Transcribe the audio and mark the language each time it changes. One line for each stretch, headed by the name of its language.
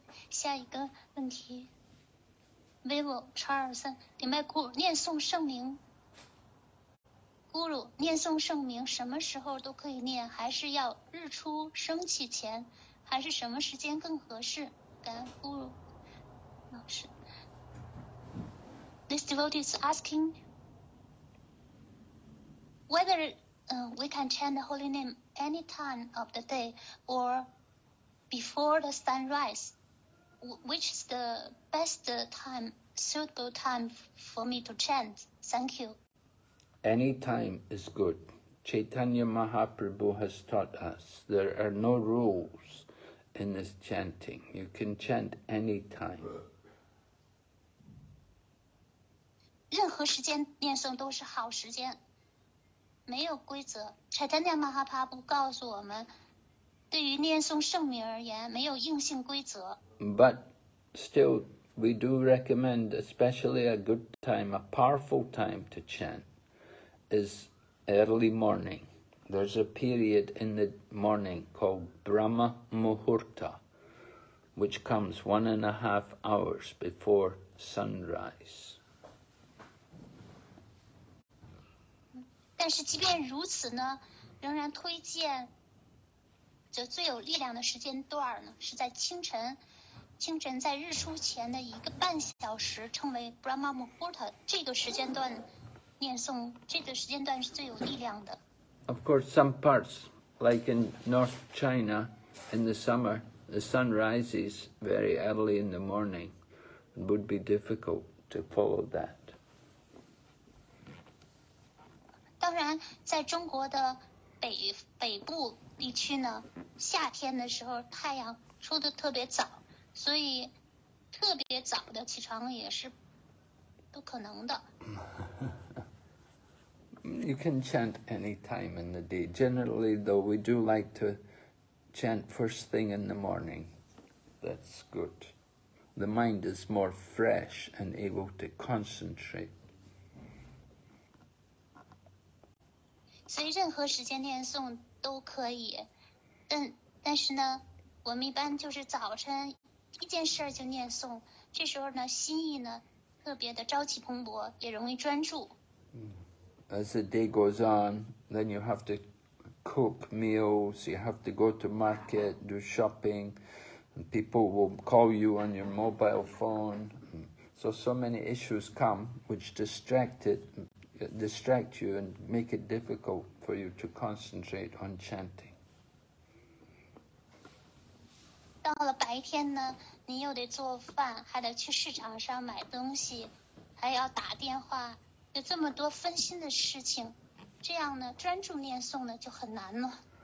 Chinese: 下一个问题。Vivo Charleston, 顶拜 Guru, 念诵圣名。 Guru, 念诵圣名什么时候都可以念，还是要日出升起前，还是什么时间更合适？感恩 Guru 老师。
English: This devotee is asking whether we can chant the holy name any time of the day or before the sunrise, which is the best time? Suitable time for me to chant. Thank you. Any time is good. Chaitanya Mahaprabhu has taught us there are no rules in this chanting. You can chant any time.
Chinese: 任何时间念诵都是好时间。没有规则。柴坦尼马哈帕布告诉我们，对于念诵圣名而言，没有硬性规则。
English: But still, we do recommend, especially a good time, a powerful time to chant, is early morning. There's a period in the morning called Brahma Muhurta, which comes 1.5 hours before sunrise.
Chinese: 但是即便如此呢，仍然推荐就最有力量的时间段呢，是在清晨在日出前的一个半小时，称为 Brahma Muhurta。这个时间段念诵，这个时间段是最有力量的。
English: Of course, some parts, like in North China, in the summer, the sun rises very early in the morning. It would be difficult to follow that.
Chinese: 当然，在中国的北部地区呢，夏天的时候太阳出得特别早，所以特别早的起床也是不可能的。
English: You can chant any time in the day. Generally, though, we do like to chant first thing in the morning. That's good. The mind is more fresh and able to concentrate.
Chinese: 所以任何时间念诵都可以，但是呢，我们一般就是早晨一件事就念诵，这时候呢，心意呢特别的朝气蓬勃，也容易专注。
English: As the day goes on, then you have to cook meals, you have to go to market, do shopping, and people will call you on your mobile phone. So many issues come which distract you and make it difficult for you to concentrate on chanting.
Chinese: 到了白天呢，你又得做饭，还得去市场上买东西，还要打电话，有这么多分心的事情，这样呢，专注念诵呢就很难了。